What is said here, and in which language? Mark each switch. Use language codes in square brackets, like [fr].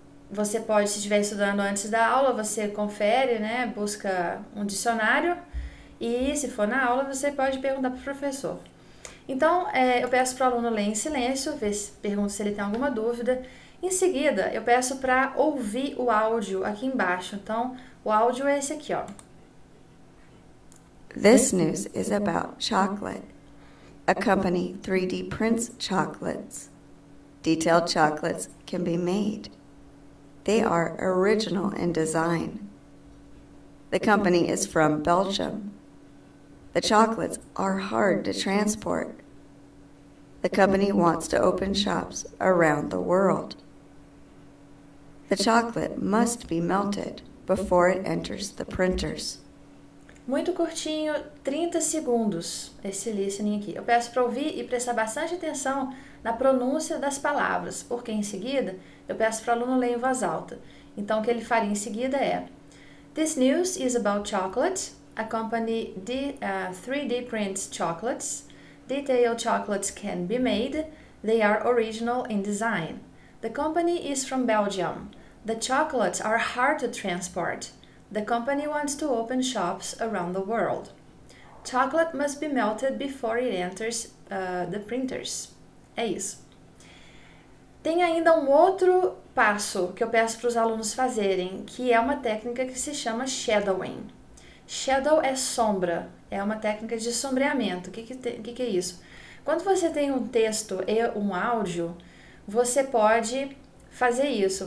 [pt] Você pode, se estiver estudando antes da aula, você confere, né, busca um dicionário e, se for na aula, você pode perguntar para o professor. Então, eu peço para o aluno ler em silêncio, ver se, pergunto se ele tem alguma dúvida. Em seguida, eu peço para ouvir o áudio aqui embaixo. Então, o áudio é esse aqui, ó. [en] This news is about chocolate. A company 3D prints chocolates. Detailed chocolates can be made. They are original in design. The company is from Belgium. The chocolates are hard to transport. The company wants to open shops around the world. The chocolate must be melted before it enters the printers. [pt] Muito curtinho, 30 segundos, esse listening aqui. Eu peço para ouvir e prestar bastante atenção na pronúncia das palavras, porque em seguida eu peço para o aluno ler em voz alta. Então, o que ele faria em seguida é: [en] This news is about chocolate. A company 3D prints chocolates. Detailed chocolates can be made. They are original in design. The company is from Belgium. The chocolates are hard to transport. The company wants to open shops around the world. Chocolate must be melted before it enters the printers. [pt] É isso. Tem ainda um outro passo que eu peço para os alunos fazerem, que é uma técnica que se chama shadowing. Shadow é sombra, é uma técnica de sombreamento. O que que é isso? Quando você tem um texto e um áudio, você pode fazer isso.